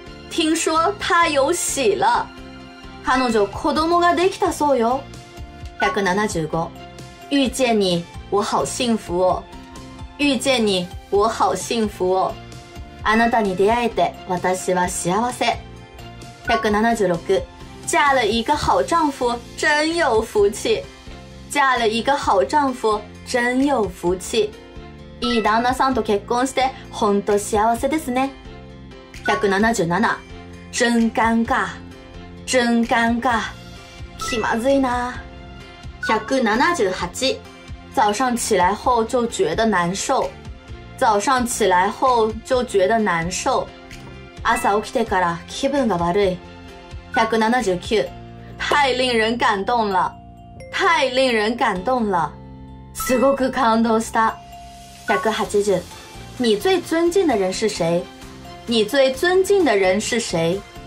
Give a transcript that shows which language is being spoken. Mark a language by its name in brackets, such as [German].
[Chinese] 听说他有喜了。 [Japanese] 彼女子供ができたそうよ。 [Chinese] 175。 遇见你我好幸福哦。遇见你我好幸福哦。 [Japanese] あなたに出会えて私は幸せ。 [Chinese] 176。嫁了一个好丈夫真有福气。嫁了一个好丈夫真有福气。 [Japanese] いい旦那さんと結婚して本当幸せですね。 [Chinese] 177。 真尴尬。真尴尬。 [Japanese] 気まずいな。 [Chinese] 178。早上起来后就觉得难受。早上起来后就觉得难受。 [Japanese] 朝起きてから気分が悪い。 [Chinese] 179。 太令人感动了。太令人感动了。 [Japanese] すごく感動した。 [Chinese] 180。 你最尊敬的人是谁？你最尊敬的人是谁？